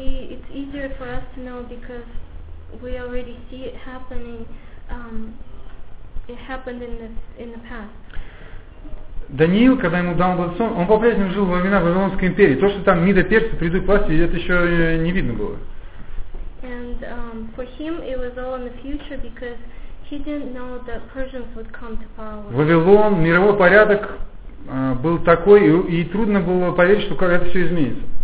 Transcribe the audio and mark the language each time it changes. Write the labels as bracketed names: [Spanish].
[English] It's easier for us to know because we already see it happening. It happened in the past. [Russian] Даниил, когда ему дан был сон, он по-прежнему жил во времена Вавилонской империи. То, что там Мидо-Персы придут к власти, это еще не видно было. [English] And for him it was all in the future because he didn't know that Persians would come to power. [Russian] Вавилон, мировой порядок был такой, и трудно было поверить, что когда это все изменится.